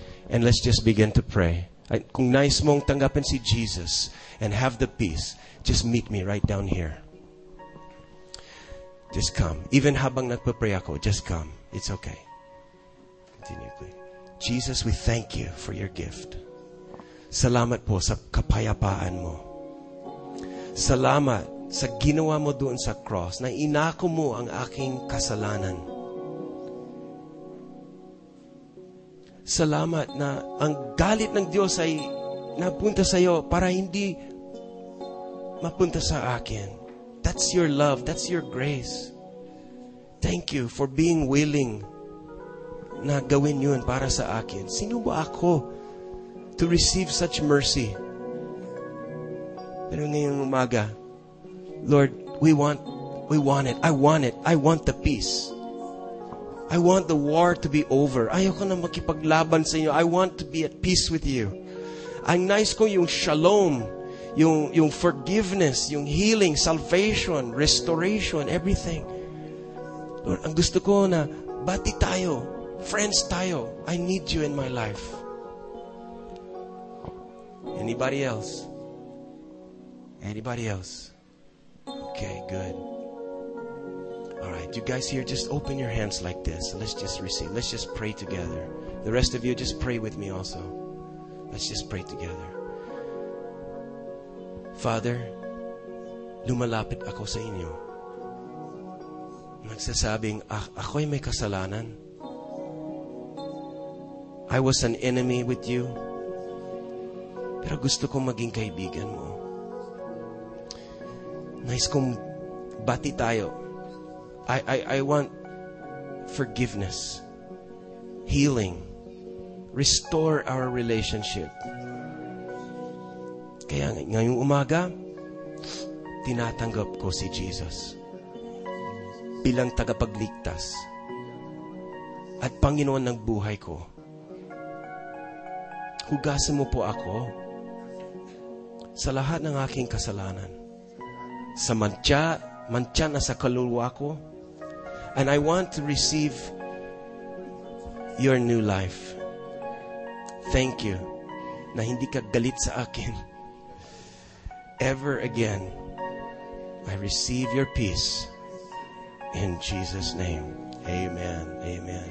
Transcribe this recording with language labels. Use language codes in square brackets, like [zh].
[en] And let's just begin to pray. [tl] Kung nais mong tanggapin si Jesus [en] and have the peace, just meet me right down here. Just come. Even [tl] habang nagpapray ako, [en] just come. It's okay. Continue, please. Jesus, we thank you for your gift. [tl] Salamat po sa kapayapaan mo. Salamat sa ginawa mo doon sa cross na inako mo ang aking kasalanan. Salamat na ang galit ng Diyos ay napunta sa iyo para hindi mapunta sa akin. [en] That's your love. That's your grace. Thank you for being willing [tl] na gawin yun para sa akin. [en] Sino ba ako to receive such mercy? [tl] Pero ngayong umaga, [en] Lord, we want it. I want it. I want the peace. I want the war to be over. [tl] Ayoko na makipaglaban sa inyo. [en] I want to be at peace with you. [tl] Ang nais ko [en] yung shalom, yung forgiveness, yung healing, salvation, restoration, everything. [tl] Lord, ang gusto ko na bati tayo, friends tayo. [en] I need you in my life. Anybody else? Anybody else? Okay, good. Alright, you guys here, just open your hands like this. Let's just receive. Let's just pray together. The rest of you, just pray with me also. Let's just pray together. [tl] Father, lumalapit ako sa inyo. Nagsasabing, ako'y may kasalanan. [en] I was an enemy with you. [tl] Pero gusto kong maging kaibigan mo. Nais kong bati tayo. [en] I want forgiveness, healing, restore our relationship. [tl] Kaya ngayong umaga, tinatanggap ko si Jesus bilang tagapagligtas at Panginoon ng buhay ko. Hugasan mo po ako sa lahat ng aking kasalanan. Sa mantsa na sa kaluluwa ko. [en] And I want to receive your new life. Thank you [tl] na hindi ka galit sa akin. [en] Ever again, I receive your peace in Jesus' name. Amen. Amen.